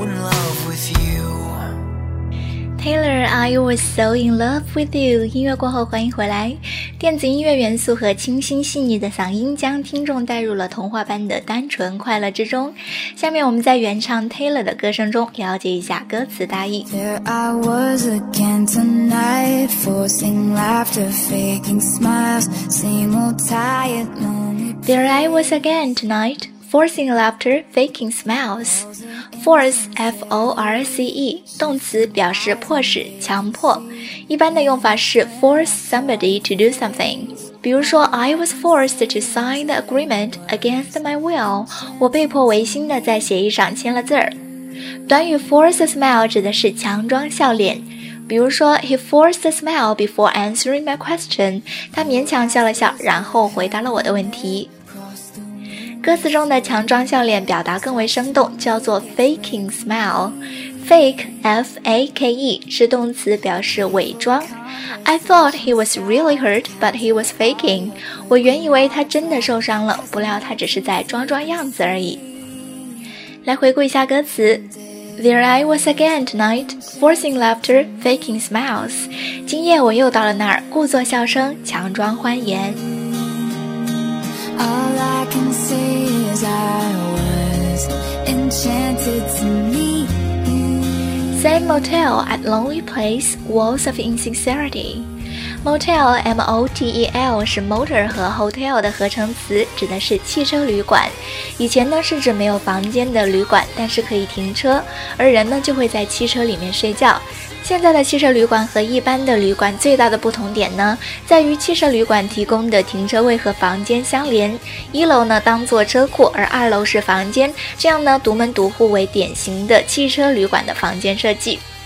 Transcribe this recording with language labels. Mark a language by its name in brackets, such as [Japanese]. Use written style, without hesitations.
[English] Taylor, I was so in love with you. [Chinese] 音乐过后欢迎回来。电子音乐元素和清新细腻的嗓音将听众带入了童话般的单纯快乐之中。下面我们在原唱 Taylor 的歌声中了解一下歌词大意。 [English] Here I was again tonight, forcing laughter, faking smiles, same old tired lonely. There I was again tonight, forcing laughter, faking smiles. [Chinese] Force, F-O-R-C-E, 动词表示迫使、强迫。一般的用法是 [English] force somebody to do something. [Chinese] 比如说 [English] I was forced to sign the agreement against my will. [Chinese] 我被迫违心的在协议上签了字儿。短语 [English] force a smile [Chinese] 指的是强装笑脸。比如说 [English] He forced a smile before answering my question. [Chinese] 他勉强笑了笑，然后回答了我的问题。歌词中的强装笑脸表达更为生动，叫做 [English] faking smile。 [Chinese] Fake, F-A-K-E, 是动词表示伪装。 [English] I thought he was really hurt, but he was faking. [Chinese] 我原以为他真的受伤了，不料他只是在装装样子而已。来回顾一下歌词。 [English] There I was again tonight, forcing laughter, faking smiles. [Chinese] 今夜我又到了那儿，故作笑声，强装欢颜。 [English] All I can say is I was enchanted to meet you. Same motel at lonely place, walls of insincerity. [Chinese] Motel, M-O-T-E-L, 是 motor 和 hotel 的合成词，指的是汽车旅馆。以前呢是指没有房间的旅馆，但是可以停车，而人呢就会在汽车里面睡觉。现在的汽车旅馆和一般的旅馆最大的不同点呢，在于汽车旅馆提供的停车位和房间相连，一楼呢当作车库，而二楼是房间，这样呢独门独户为典型的汽车旅馆的房间设计。